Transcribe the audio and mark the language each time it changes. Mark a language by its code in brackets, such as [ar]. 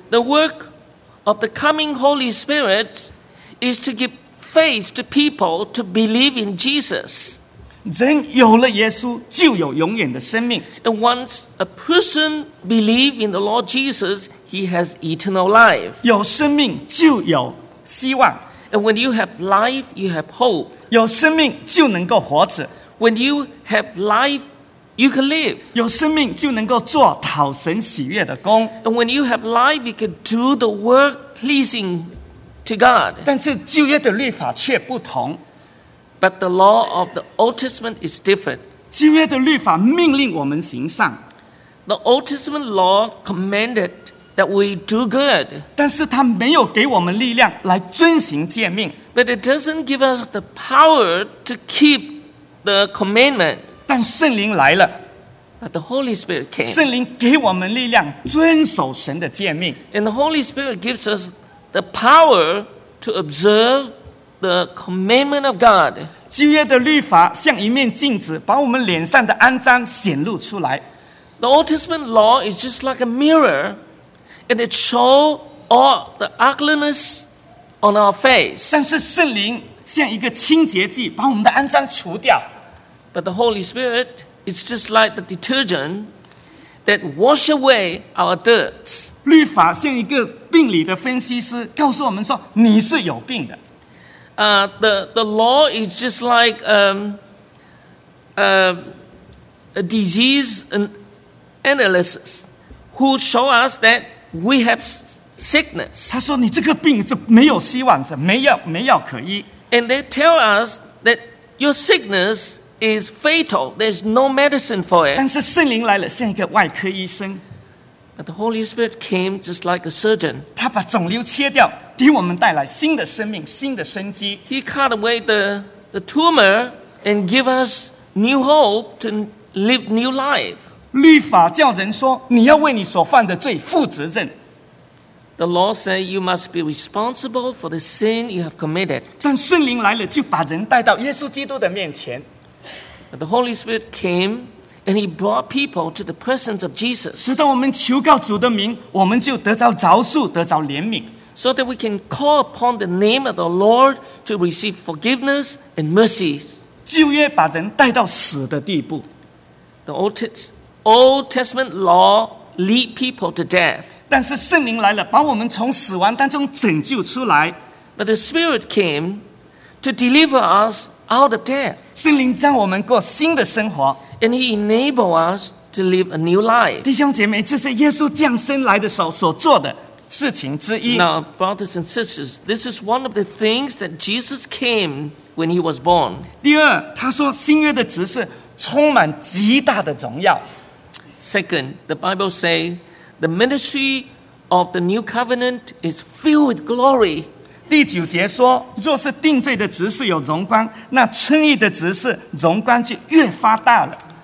[en] The work of the coming Holy Spirit is to give faith to people to believe in Jesus. [zh] 人有了耶稣，就有永远的生命。 [en] And once a person believes in the Lord Jesus, he has eternal life. [zh] 有生命就有希望。 [en] And when you have life, you have hope. [zh] 有生命就能够活着。 [en] When you have life, you can live. [zh] 有生命就能够做讨神喜悦的工。 [en] And when you have life, you can do the work pleasing to God. [zh] 但是旧约的律法却不同。 [en] But the law of the Old Testament is different. [zh] 旧约的律法命令我们行善。 [en] The Old Testament law commanded that we do good. [zh] 但是它没有给我们力量来遵行诫命。 [en] But it doesn't give us the power to keep the commandment. [zh] 但圣灵来了。 [en] But the Holy Spirit came. [zh] 圣灵给我们力量遵守神的诫命。 [en] And the Holy Spirit gives us the power to observe the commandment of God. [zh] 旧约的律法像一面镜子，把我们脸上的肮脏显露出来。 [en] The Old Testament law is just like a mirror, and it shows all the ugliness on our face. [zh] 但是圣灵像一个清洁剂，把我们的肮脏除掉。 [en] But the Holy Spirit is just like the detergent that wash away our dirt. [zh] 律法像一个病理的分析师，告诉我们说你是有病的。 [en] The law is just like a disease and analysis who show us that we have sickness. [zh] 他说你这个病是没有希望的，没药可医。 [en] And they tell us that your sickness is fatal. There's no medicine for it. [zh] 但是圣灵来了，像一个外科医生。 [en] But the Holy Spirit came just like a surgeon. [zh] 他把肿瘤切掉，给我们带来新的生命，新的生机。 [en] He cut away the tumor and give us new hope to live new life. [zh] 律法叫人说，你要为你所犯的罪负责任。 [en] The law says you must be responsible for the sin you have committed. [zh] 但圣灵来了，就把人带到耶稣基督的面前。 [en] But the Holy Spirit came and he brought people to the presence of Jesus. [zh] 使得我们求告主的名，我们就得着饶恕，得着怜悯。 [en] So that we can call upon the name of the Lord to receive forgiveness and mercies. [zh] 旧约把人带到死的地步。 [en] The Old Testament law lead people to death. [zh] 但是圣灵来了，把我们从死亡当中拯救出来。 [en] But the Spirit came to deliver us out of death. [zh] 圣灵让我们过新的生活。 [en] And he enabled us to live a new life. [zh] 弟兄姐妹，这是耶稣降生来的时候所做的事情之一。 [en] Now, brothers and sisters, this is one of the things that Jesus came when he was born. [zh] 第二，他说新约的职事充满极大的荣耀。 [en] Second, the Bible says the ministry of the new covenant is filled with glory. [zh] 第九节说，若是定罪的职事有荣光，那称义的职事荣光就越发大了。